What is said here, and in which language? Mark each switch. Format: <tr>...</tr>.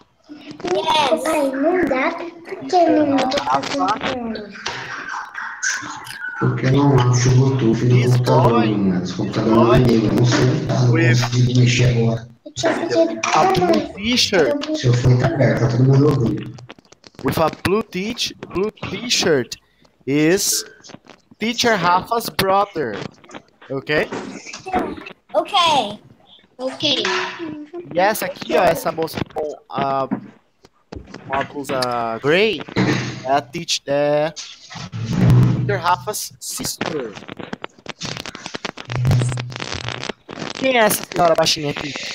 <en>Yes.</en> <pt>Ai, não dá, porque eu não tô falando. Porque não acho o Bluetooth no computador, não é meu, não sei o que tá, não consigo mexer agora.</pt> <en>A blue t-shirt.</en> <pt>Seu fone tá perto, tá todo mundo ouvindo.</pt> <en>With a blue t-shirt is teacher Rafa's brother, ok? Ok. Ok.</en> <pt>E essa aqui, ó, essa moça com a óculos gray, é a</pt> <en>teacher Rafa's sister.</en> <pt>Quem é essa senhora baixinha aqui?</pt>